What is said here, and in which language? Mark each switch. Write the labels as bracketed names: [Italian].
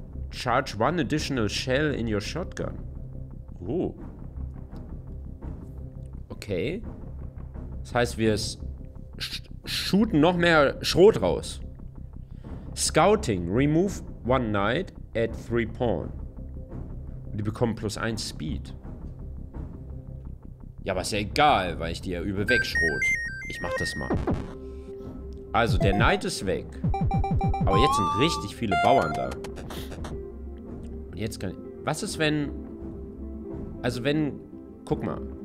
[English] Charge one additional shell in your shotgun. Okay. [German] Das heißt, wir shooten noch mehr Schrot raus. [English] Scouting. Remove one knight at 3 pawn. [German] Die bekommen plus 1 Speed. Ja, aber ist ja egal, weil ich die ja übel wegschrot. Ich mach das mal. Also, der Knight ist weg. Aber jetzt sind richtig viele Bauern da. Und jetzt kann ich... Was ist, wenn... Also, wenn... Guck mal.